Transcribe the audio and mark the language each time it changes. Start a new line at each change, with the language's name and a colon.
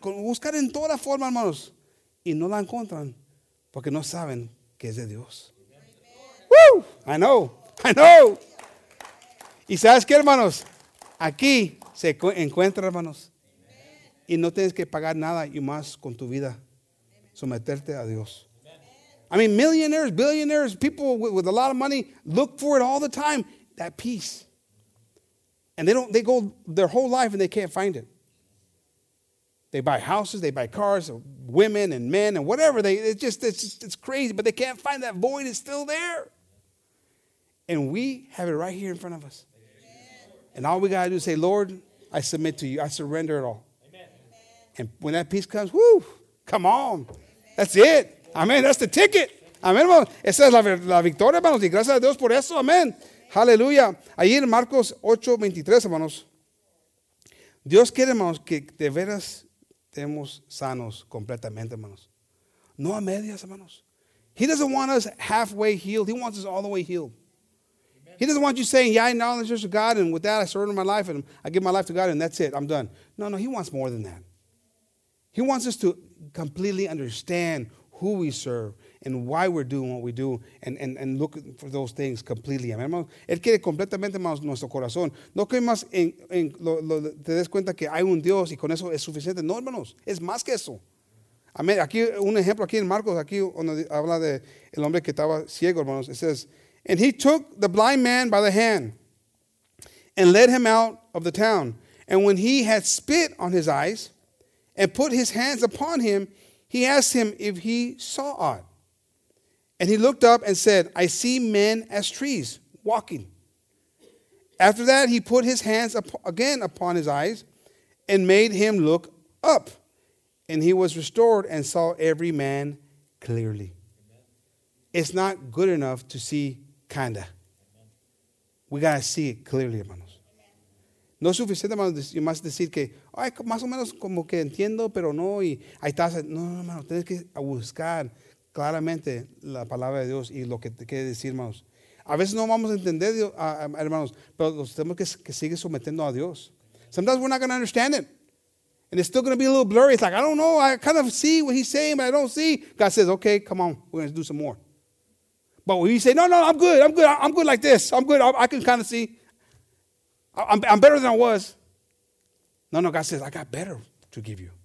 Spanish: Buscan en toda forma, hermanos. Y no la encuentran. Porque no saben que es de Dios. ¡Woo!
English: I know.
Spanish: Y sabes qué, hermanos. Aquí se encuentra, hermanos. Y no tienes que pagar nada y más con tu vida. Someterte a Dios.
English: I mean, millionaires, billionaires, people with a lot of money look for it all the time. That peace. And they go their whole life and they can't find it. They buy houses, they buy cars, women and men and whatever. It's crazy, but they can't find that void. It's still there. And we have it right here in front of us. And all we got to do is say, Lord, I submit to you. I surrender it all. And when that peace comes, whoo, come on. That's it. Amen. That's the ticket. Amen, hermanos.
Spanish: Esa es la victoria, hermanos. Y gracias a Dios por eso. Amen. Aleluya. Ahí en Marcos 8:23, hermanos. Dios quiere, hermanos, que de veras estemos sanos completamente, hermanos. No a medias, hermanos.
English: He doesn't want us halfway healed. He wants us all the way healed. He doesn't want you saying, yeah, I acknowledge this to God, and with that I surrender my life, and I give my life to God, and that's it. I'm done. No, he wants more than that. He wants us to completely understand who we serve and why we're doing what we do and look for those things completely.
Spanish: Amen, hermanos. Él quiere completamente, hermanos, nuestro corazón. No que más te des cuenta que hay un Dios y con eso es suficiente. No, hermanos, es más que eso. Amén. Aquí un ejemplo aquí en Marcos, aquí donde habla de el hombre que estaba ciego, hermanos.
English: It says, and he took the blind man by the hand and led him out of the town. And when he had spit on his eyes and put his hands upon him, he asked him if he saw aught. And he looked up and said, I see men as trees walking. After that, he put his hands again upon his eyes and made him look up. And he was restored and saw every man clearly. It's not good enough to see kinda. We got to see it clearly, hermanos.
Spanish: No es suficiente, hermanos, you must decir que ay, más o menos como que entiendo, pero no, y ahí estás. No, hermano, tienes que buscar claramente la palabra de Dios y lo que te quiere decir, hermanos. A veces no vamos a entender, hermanos, pero los tenemos que seguir sometiendo a Dios.
English: Sometimes we're not going to understand it. And it's still going to be a little blurry. It's like, I don't know, I kind of see what he's saying, but I don't see. God says, okay, come on, we're going to do some more. But when you say, no, I'm good like this. I'm good, I can kind of see. I'm better than I was. No, God says, I got better to give you.